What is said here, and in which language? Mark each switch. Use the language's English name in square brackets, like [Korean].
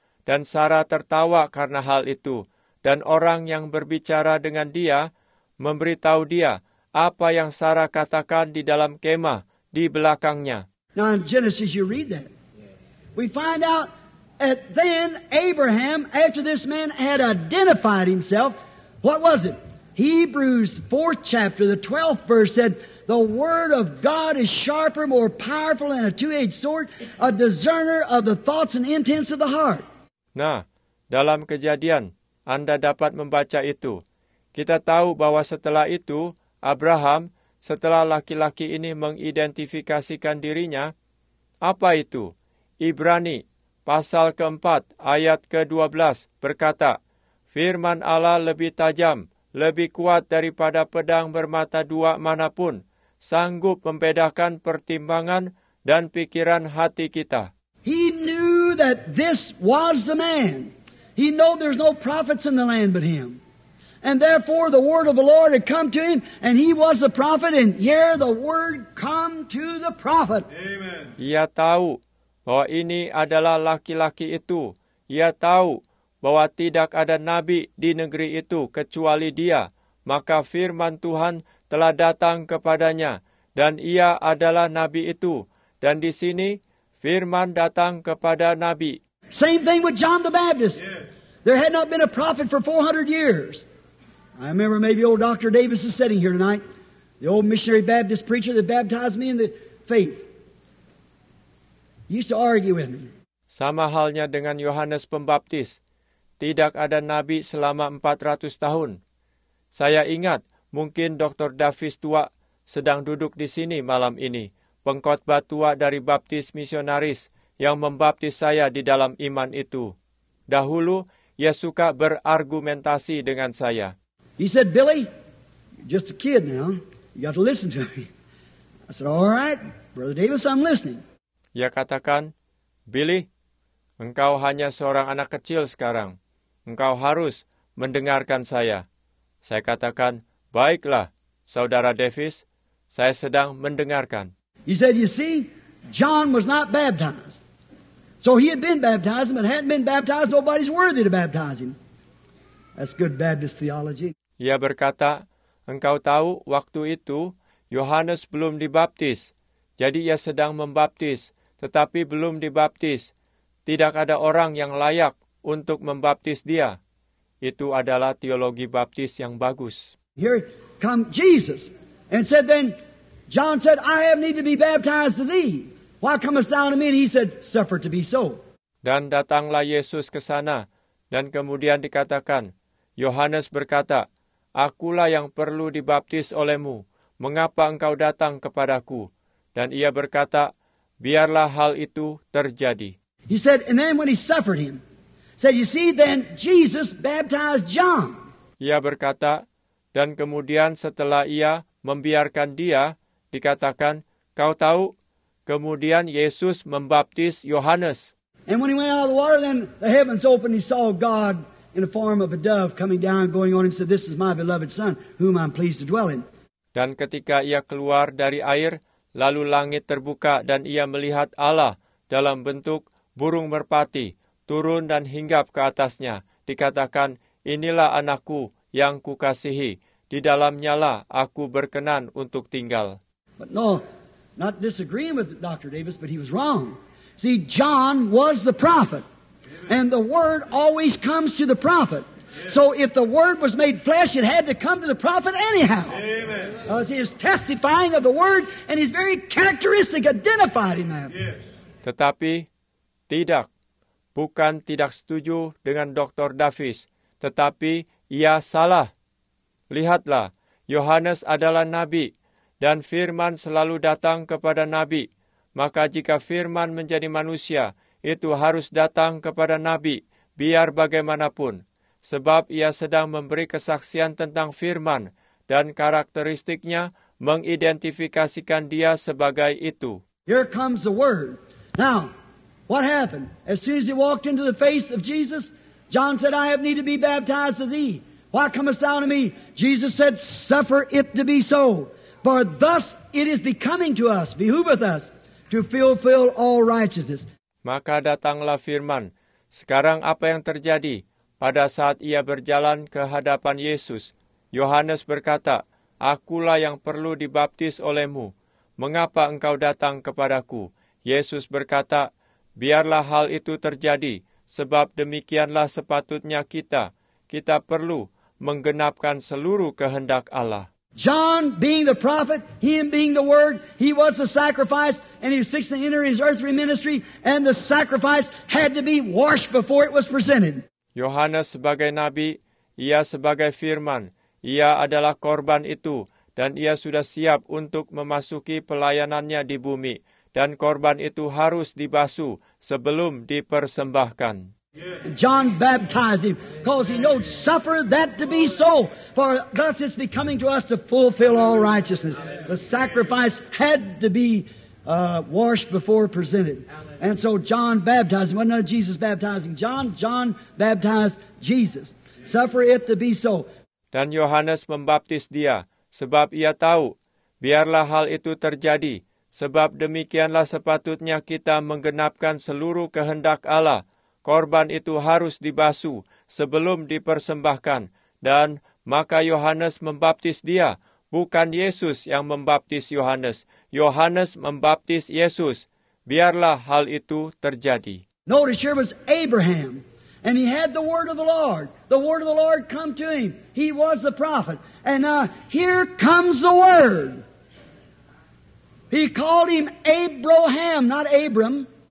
[Indonesian] Dan Sarah tertawa karena hal itu dan orang yang berbicara dengan dia memberitahu dia apa yang Sarah katakan di dalam kemah di belakangnya. [English] Now in Genesis you read that. We find out that then Abraham, after this man had identified himself, what was it? Hebrews 4th chapter, the 12th verse said, the word of God is sharper, more powerful than a two-edged sword, a discerner of the thoughts and intents of the heart. [Indonesian] Nah, dalam Kejadian, Anda dapat membaca itu. Kita tahu bahwa setelah itu, Abraham, setelah laki-laki ini mengidentifikasikan dirinya, apa itu? Ibrani, pasal 4, ayat ke-12, berkata, Firman Allah lebih tajam, lebih kuat daripada pedang bermata dua manapun, sanggup membedakan pertimbangan dan pikiran hati kita. [English] He knew that this was the man. He knew there's no prophets in the land but him. And therefore the word of the Lord had come to him, and he was a prophet, and here the word come to the prophet. Amen. [Indonesian] Ia tahu bahwa ini adalah laki-laki itu. Ia tahu bahwa tidak ada nabi di negeri itu kecuali dia. Maka firman Tuhan telah datang kepadanya, dan ia adalah nabi itu. Dan di sini, firman datang kepada nabi. [English] Same thing with John the Baptist. Yes. There had not been a prophet for 400 years. I remember maybe old Dr. Davis is sitting here tonight, the old missionary Baptist preacher that baptized me in the faith. He used to argue with me. [Indonesian] Sama halnya dengan Yohanes Pembaptis. Tidak ada nabi selama 400 tahun. Saya ingat, mungkin Dr. Davis tua sedang duduk di sini malam ini, pengkhotbah tua dari Baptis Misionaris yang membaptis saya di dalam iman itu. Dahulu, ia suka berargumentasi dengan saya. [English] He said, Billy, you're just a kid now. You got to listen to me. I said, all right, Brother Davis, I'm listening. [Indonesian] Ia katakan, Billy, engkau hanya seorang anak kecil sekarang. Engkau harus mendengarkan saya. Saya katakan, baiklah, Saudara Davis, saya sedang mendengarkan. [English] He said, you see, John was not baptized. So he had been baptized, but hadn't been baptized, nobody's worthy to baptize him. That's good Baptist theology. [Indonesian] Ia berkata, engkau tahu waktu itu, Yohanes belum dibaptis. Jadi ia sedang membaptis, tetapi belum dibaptis. Tidak ada orang yang layak untuk membaptis dia. Itu adalah teologi baptis yang bagus. [English] Here come Jesus. And said then, John said, I have need to be baptized to thee. Why comest thou to me? And he said, suffer to be so. [Indonesian] Dan datanglah Yesus ke sana. Dan kemudian dikatakan, Yohanes berkata, akulah yang perlu dibaptis olehmu. Mengapa engkau datang kepadaku? Dan ia berkata, biarlah hal itu terjadi. [English] He said, and then when he suffered him, said, you see, then Jesus baptized John. [Indonesian] Ia berkata, dan kemudian setelah ia membiarkan dia, dikatakan, kau tahu, kemudian Yesus membaptis Yohanes. [English] And when he went out of the water, then the heavens opened, he saw God in the form of a dove coming down, going on, and said, this is my beloved son, whom I'm pleased to dwell in. [Indonesian] Dan ketika ia keluar dari air, lalu langit terbuka, dan ia melihat Allah dalam bentuk burung merpati, turun dan hinggap ke atasnya. Dikatakan, inilah anakku yang kukasihi. Di dalamnya lah aku berkenan untuk tinggal. [English] But no, not disagreeing with Dr. Davis, but he was wrong. See, John was the prophet. And the word always comes to the prophet. So if the word was made flesh, it had to come to the prophet anyhow. Amen. He is testifying of the word, and his very characteristic identified in that. [Indonesian] Tetapi, tidak. Bukan tidak setuju dengan Dr. Davis, tetapi ia salah. Lihatlah, Yohanes adalah nabi, dan firman selalu datang kepada nabi. Maka jika firman menjadi manusia, itu harus datang kepada nabi, biar bagaimanapun. Sebab ia sedang memberi kesaksian tentang firman, dan karakteristiknya mengidentifikasikan dia sebagai itu. [English] Here comes the word. Now, what happened? As soon as he walked into the face of Jesus, John said, I have need to be baptized of thee. Why comest thou to me? Jesus said, suffer it to be so. For thus it is becoming to us, behooveth us, to fulfill all righteousness. [Indonesian] Maka datanglah firman. Sekarang apa yang terjadi? Pada saat ia berjalan ke hadapan Yesus, Yohanes berkata, akulah yang perlu dibaptis olehmu. Mengapa engkau datang kepadaku? Yesus berkata, biarlah hal itu terjadi, sebab demikianlah sepatutnya kita. Kita perlu menggenapkan seluruh kehendak Allah. [English] John being the prophet, him being the word, he was the sacrifice, and he was fixing to enter his earthly ministry, and the sacrifice had to be washed before it was presented. [Indonesian] Yohanes sebagai nabi, ia sebagai firman, ia adalah korban itu, dan ia sudah siap untuk memasuki pelayanannya di bumi, dan korban itu harus dibasuh sebelum dipersembahkan. [English] John baptized him, because he knows suffer that to be so, for thus it's becoming to us to fulfill all righteousness. The sacrifice had to be washed before presented. And so John baptized him. Well, no, Jesus baptizing John. John baptized Jesus. Suffer it to be so. [Indonesian] Dan Yohanes membaptis dia, sebab ia tahu, biarlah hal itu terjadi, sebab demikianlah sepatutnya kita menggenapkan seluruh kehendak Allah. Korban itu harus dibasuh sebelum dipersembahkan. Dan maka Yohanes membaptis dia, bukan Yesus yang membaptis Yohanes. Yohanes membaptis Yesus. Biarlah hal itu terjadi. [English] Notice here was Abraham, and he had the word of the Lord. The word of the Lord come to him. He was the prophet. And now here comes the word. He called him Abraham, not Abram.